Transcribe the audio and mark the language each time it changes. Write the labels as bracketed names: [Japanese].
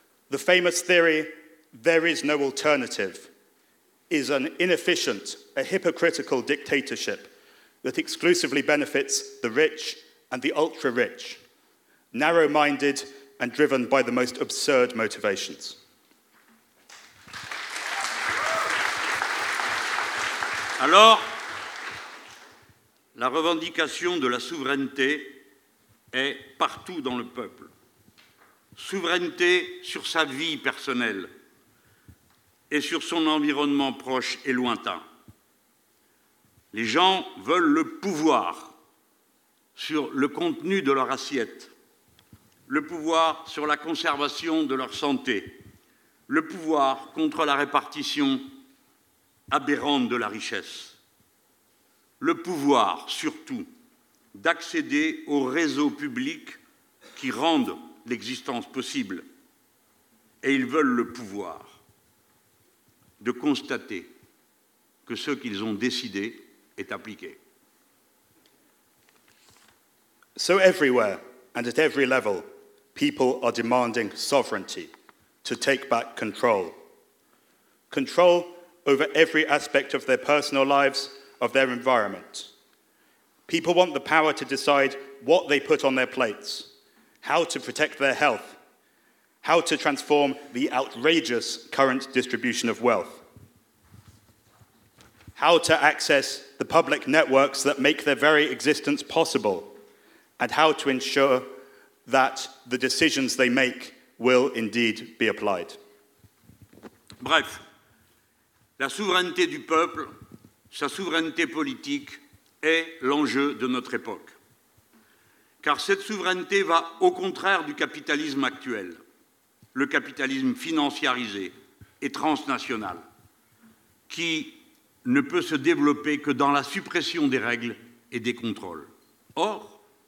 [English] The famous theory, there is no alternative, is an inefficient, a hypocritical dictatorship that exclusively benefits the rich and the ultra-rich, narrow-minded and driven by the most absurd motivations. [French] Alors, la revendication de la souveraineté est partout dans le peuple. Souveraineté sur sa vie personnelle et sur son environnement proche et lointain. Les gens veulent le pouvoir sur le contenu de leur assiette, le pouvoir sur la conservation de leur santé, le pouvoir contre la répartition aberrante de la richesse. Le pouvoir, surtout, d'accéder aux réseaux publics qui rendent l'existence possible. Et ils veulent le pouvoir de constater que ce qu'ils ont décidé est appliqué. [English] So everywhere and at every level, people are demanding sovereignty to take back control. Control over every aspect of their personal lives, of their environment. People want the power to decide what they put on their plates, how to protect their health, how to transform the outrageous current distribution of wealth, how to access the public networks that make their very existence possible, and how to ensure that the decisions they make will indeed be applied. [French] Bref, la souveraineté du peuple, sa souveraineté politique est l'enjeu de notre époque. Car cette souveraineté va au contraire du capitalisme actuel, le capitalisme financiarisé et transnational, qui ne peut se développer que dans la suppression des règles et des contrôles. Or,